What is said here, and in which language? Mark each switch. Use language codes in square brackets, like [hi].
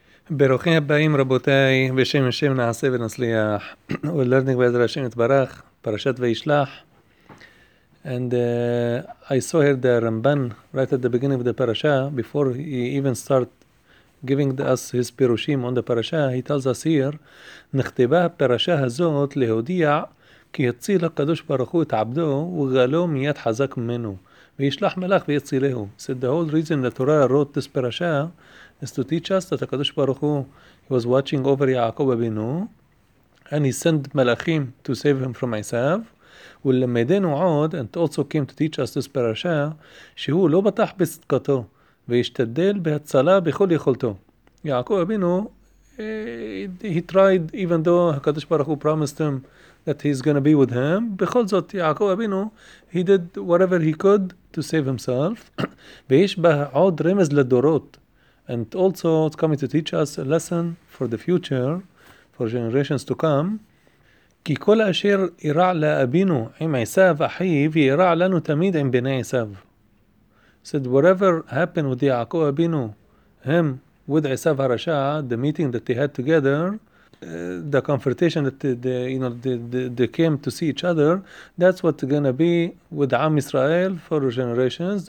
[he] ברוכים הבאים רבותיי, בשם השם נעשה ונצליח. ולרנינג בעזר השם יתברך, פרשת וישלח. [en] And I saw here the Ramban, right at the beginning of the parasha, before he even start giving us his pirushim on the parasha, he tells us here, [he] נכתבה הפרשה הזאת להודיע כי הציל הקדוש ברוך הוא את עבדו וגלו מיד חזק ממנו. וישלח מלאך ויצילהו. [en] So the whole reason the Torah wrote this parasha is to teach us that HaKadosh Baruch Hu was watching over Yaakov Abinu and he sent Malachim to save him from Esav. [he] ולמדנו עוד, [en] and also came to teach us this parasha, [he] שהוא לא בטח בצדקתו והשתדל בהצלה בכל יכולתו. [en] Yaakov Abinu, he tried even though HaKadosh Baruch Hu promised him that he's going to be with him. [he] בכל זאת, [en] יעקב אבינו, he did whatever he could to save himself. [he] ויש בה עוד רמז לדורות. [en] And also, it's coming to teach us a lesson for the future, for generations to come. [he] כי כל אשר יירע לאבינו עם עשיו אחיו, יירע לנו תמיד עם בני עשיו. [en] Said, whatever happened with יעקב אבינו, him with עשיו הרשע, the meeting that they had together, the confrontation that they came to see each other, that's what's going to be with Am Israel for generations.